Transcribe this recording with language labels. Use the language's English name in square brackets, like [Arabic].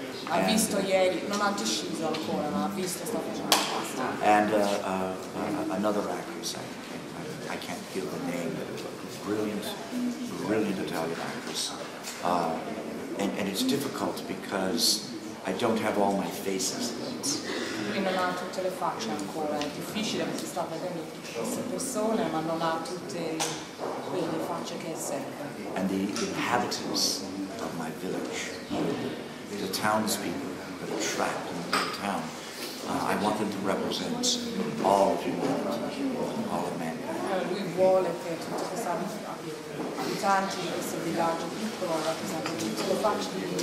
[Italian] Ha visto ieri, non ha deciso ancora, ma ha visto, sta facendo la pasta. [English] And another actress, I can't feel the name. Brilliant Italian actress. And it's difficult because I don't have all my faces. [Italian] In non ha tutte le facce ancora. È difficile perché si sta vedendo queste persone, ma non ha tutte quelle facce che serve. [English] And the inhabitants of my village, the townspeople that are trapped in the town, I want them to represent all of humanity, all of men. [Italian] Lui vuole che tutti questi abitanti di questo villaggio piccolo rappresentino tutte le facce di